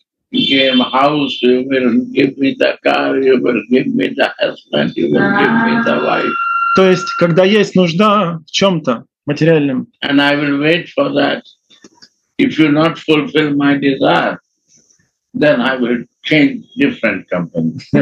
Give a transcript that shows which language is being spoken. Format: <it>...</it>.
<en>Give house, you will give me the car, you will give me the husband, you will give me the wife.</en> <ru>То есть, когда есть нужда в чем-то материальном.</ru> <en>And I will wait for that. If you not fulfill my desire, then I will change different company.</en>